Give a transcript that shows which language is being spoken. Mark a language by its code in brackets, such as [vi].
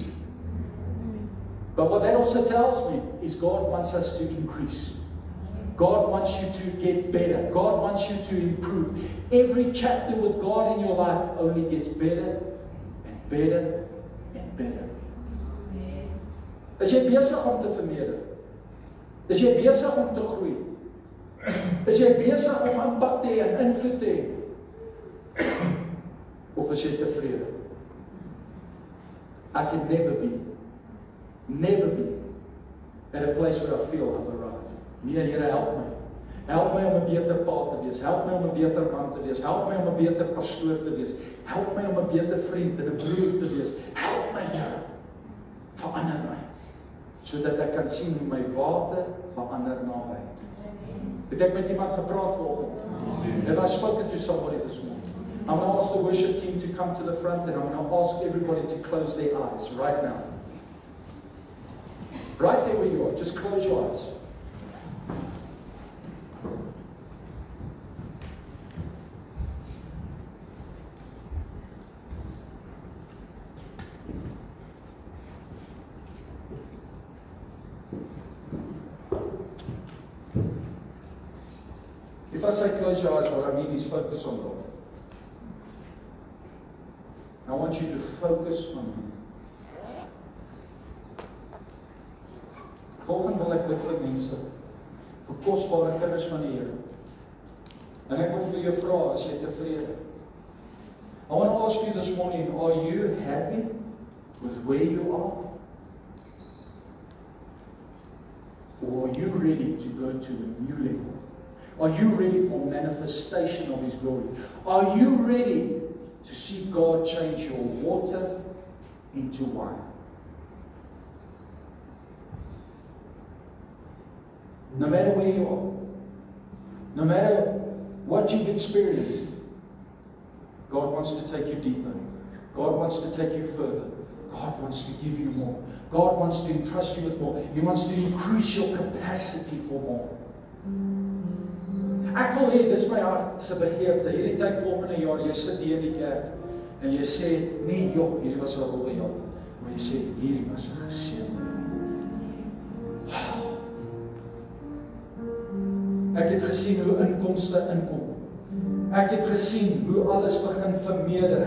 [en] Mm-hmm. But what that also tells me is God wants us to increase. God wants you to get better. God wants you to improve. Every chapter with God in your life only gets better and better and better. [af] Is jy besig om te vermeerder? Is jy besig om te groei? Is jy besig om impak te hê en invloed te hê? Of is jy tevrede? [en] I can never be, never be at a place where I feel I've arrived. [af] Nee, Here, help me. Help my om 'n beter pa te wees. Help my om 'n beter man te wees. Help my om 'n beter pastoor te wees. Help my om 'n beter vriend en 'n broer te wees. Help my, Here, verander my. So dat ek kan sien hoe my water verander na wyn. Het ek met iemand gepraat vanoggend? Dit was [en] spoken to somebody this morning. I'm going to ask the worship team to come to the front and I'm going to ask everybody to close their eyes right now. Right there where you are, just close your eyes. If I say close your eyes, what I mean is focus on God. I want you to focus on Him. [af] Volgende wil ek bid vir mense, vir kosbare kinders van die Here. En ek wil vir jou vra, is jy tevrede? [en] I want to ask you this morning, are you happy with where you are? Or are you ready to go to a new level? Are you ready for manifestation of His glory? Are you ready to see God change your water into wine? No matter where you are, no matter what you've experienced, God wants to take you deeper. God wants to take you further. God wants to give you more. God wants to entrust you with more. He wants to increase your capacity for more. [af] Ek voel hier, dis my hart se begeerte. Hierdie tyd volgende jaar, jy sit hier in die kerk en jy sê, nee joh, hierdie was wel oor jou. Maar jy sê, hierdie was een geseën. Ek het gesien hoe inkomste inkom. Ek het gesien hoe alles begin vermeerder.